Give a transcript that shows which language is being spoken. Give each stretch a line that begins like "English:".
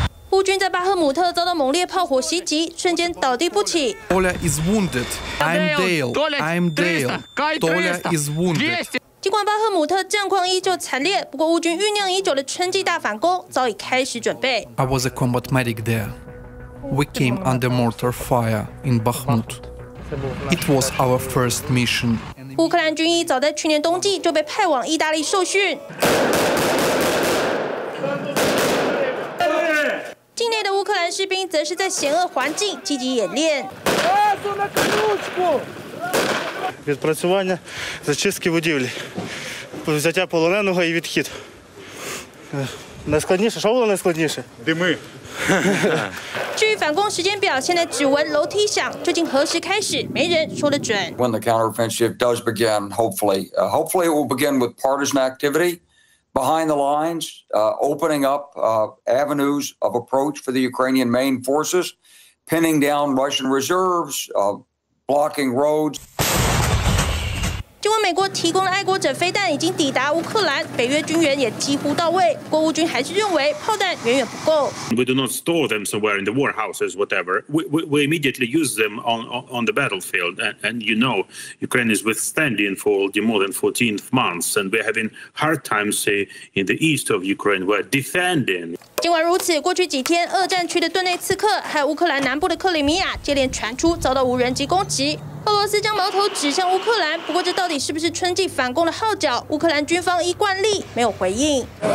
Chinese: 乌军在巴赫姆特遭到猛烈炮火袭击，瞬间倒地不起。
English: Dolia is wounded. I'm Dale. Dolia is wounded.
Chinese: 尽管巴赫姆特战况依旧惨烈，不过乌军酝酿已久的春季大反攻早已开始准备。
English: I was a combat medic there. We came under mortar fire in Bakhmut. It was our first mission.
Chinese: 乌克兰军医早在去年冬季就被派往意大利受训。境内的乌克兰士兵则是在险恶环境积极演练。
Ukrainian: Відпрацювання зачистки будівлі, взяття полоненого і відхід. Найскладніше, що було найскладніше? Дими.
Chinese: 至于反攻时间表，现在只闻楼梯响，究竟何时开始，没人说得准。
English: When the counteroffensive does begin, hopefully it will begin with partisan activity. Behind the lines, opening up avenues of approach for the Ukrainian main forces, pinning down Russian reserves, blocking roads.
Chinese: 尽管美国提供了爱国者飞弹已经抵达乌克兰，北约军援也几乎到位，不过乌军还是认为炮弹远远不够。
English: We do not store them somewhere in the warehouses, whatever. We immediately use them on the battlefield. And you know, Ukraine is withstanding for more than 14 months, and we're having hard times, say, in the east of Ukraine, we're defending.
Chinese: 尽管如此，过去几天，俄战区的顿内茨克还有乌克兰南部的克里米亚接连传出遭到无人机攻击。俄罗斯将矛头指向乌克兰，不过这到底是不是春季反攻的号角？乌克兰军方依惯例没有回应。